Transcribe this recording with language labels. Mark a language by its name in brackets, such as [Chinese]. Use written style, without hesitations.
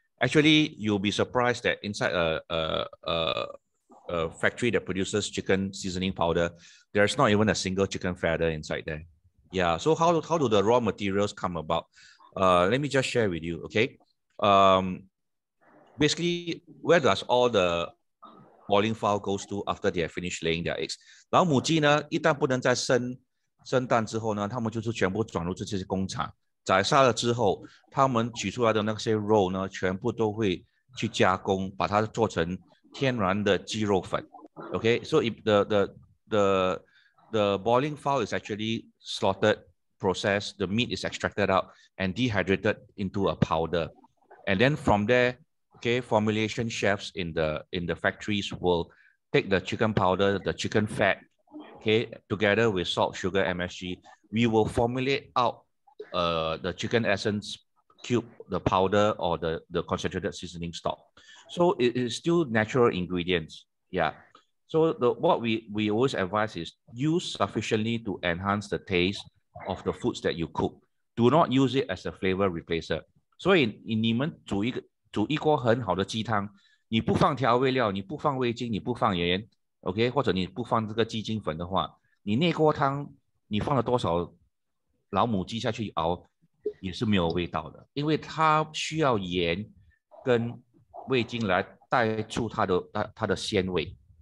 [English] Actually, you'll be surprised that inside a factory that produces chicken seasoning powder, there's not even a single chicken feather inside there. Yeah. So how do the raw materials come about? Let me just share with you. Okay. Basically, where does all the boiling fowl goes to after they have finished laying their eggs. [Chinese] 然后母鸡呢，一旦不能再生蛋之后呢，他们就是全部转入这些工厂，宰杀了之后，他们取出来的那些肉呢，全部都会去加工，把它做成天然的鸡肉粉。 [English] Okay, so if the boiling fowl is actually slaughtered, processed, the meat is extracted out and dehydrated into a powder, and then from there. Okay, formulation chefs in the factories will take the chicken powder, the chicken fat, okay, together with salt, sugar, MSG. We will formulate out the chicken essence cube, the powder, or the concentrated seasoning stock. So it is still natural ingredients. Yeah. So what we always advise is use sufficiently to enhance the taste of the foods that you cook. Do not use it as a flavor replacer. So in [Chinese] 你们煮一个煮一锅很好的鸡汤，你不放调味料，你不放味精，你不放盐 ，OK， 或者你不放这个鸡精粉的话，你那锅汤你放了多少老母鸡下去熬，也是没有味道的，因为它需要盐跟味精来带出它的鲜味。